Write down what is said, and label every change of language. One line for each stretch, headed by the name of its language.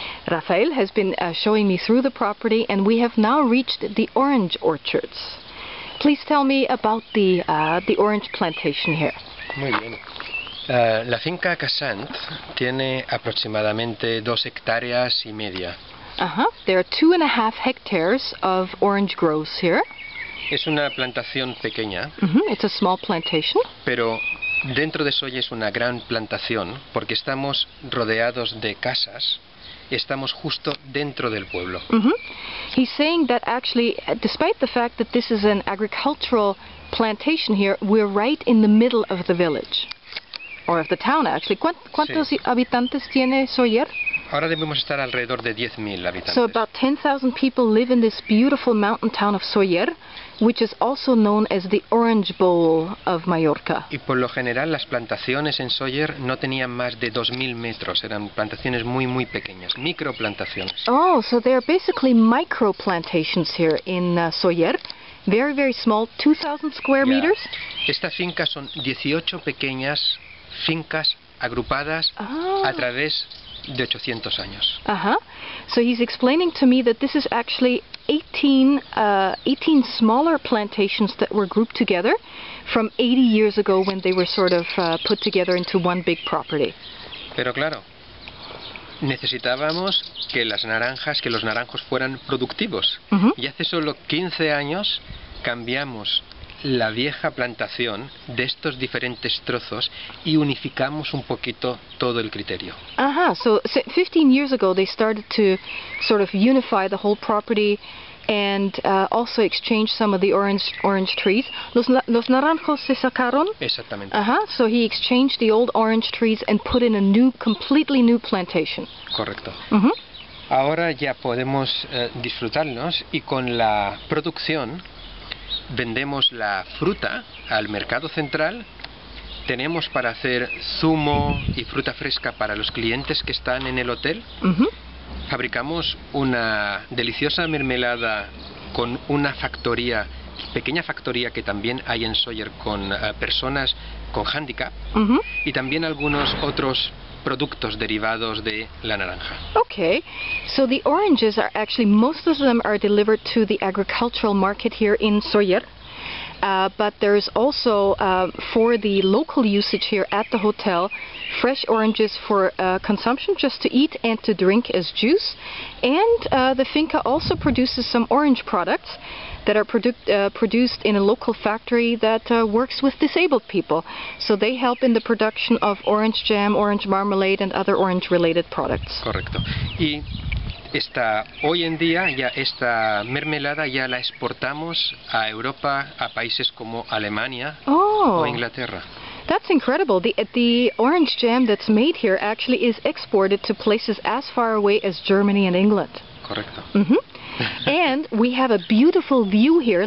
English: Rafael has been showing me through the property, and we have now reached the orange orchards. Please tell me about the orange plantation here.
Spanish: Muy bien. La finca Casant tiene aproximadamente 2.5 hectáreas. Uh-huh.
English: There are 2.5 hectares of orange groves here.
Spanish: Es una plantación pequeña.
English: Mm-hmm. It's a small plantation.
Spanish: Pero dentro de Sóller es una gran plantación porque estamos rodeados de casas. Estamos justo dentro del pueblo. Mm-hmm.
English: He's saying that actually, despite the fact that this is an agricultural plantation here, we're right in the middle of the village. Or of the town, actually.
Spanish: ¿Cuántos sí. habitantes tiene Sóller? Ahora debemos estar alrededor de 10.000 habitantes.
English: So about 10,000 people live in this beautiful mountain town of Sóller, which is also known as the Orange Bowl of Mallorca.
Spanish: Y por lo general las plantaciones en Sóller no tenían más de 2.000 metros. Eran plantaciones muy, muy pequeñas. Microplantaciones.
English: Oh, so they are basically micro plantations here in Sóller. Very, very small. 2,000 square meters.
Spanish: Estas fincas son 18 pequeñas fincas agrupadas a través de 800 años. Uh-huh.
English: So he's explaining to me that this is actually 18 smaller plantations that were grouped together from 80 years ago when they were sort of put together into one big property.
Spanish: Pero claro, necesitábamos que las naranjas, que los naranjos fueran productivos. Uh-huh. Y hace solo 15 años cambiamos la vieja plantación de estos diferentes trozos y unificamos un poquito todo el criterio.
English: Ajá, so 15 years ago they started to sort of unify the whole property and also exchange some of the orange trees.
Spanish: Los naranjos se sacaron. Exactamente.
English: Ajá, so he exchanged the old orange trees and put in a new, completely new plantation.
Spanish: Correcto. Uh-huh. Ahora ya podemos disfrutarnos y con la producción vendemos la fruta al mercado central. Tenemos para hacer zumo y fruta fresca para los clientes que están en el hotel. Uh-huh. Fabricamos una deliciosa mermelada con una factoría, pequeña factoría que también hay en Sóller con personas con handicap. Uh-huh. Y también algunos otros productos derivados de la naranja.
English: Okay, so the oranges are actually, most of them are delivered to the agricultural market here in Sóller, but there is also for the local usage here at the hotel, fresh oranges for consumption, just to eat and to drink as juice, and the finca also produces some orange products that are produced in a local factory that works with disabled people. So they help in the production of orange jam, orange marmalade, and other orange-related products.
Spanish: Correcto. Y esta, hoy en día, ya esta mermelada ya la exportamos a Europa, a países como Alemania o Inglaterra.
English: That's incredible. The orange jam that's made here actually is exported to places as far away as Germany and England.
Spanish: Correcto. Mm-hmm.
English: And we have a beautiful view here.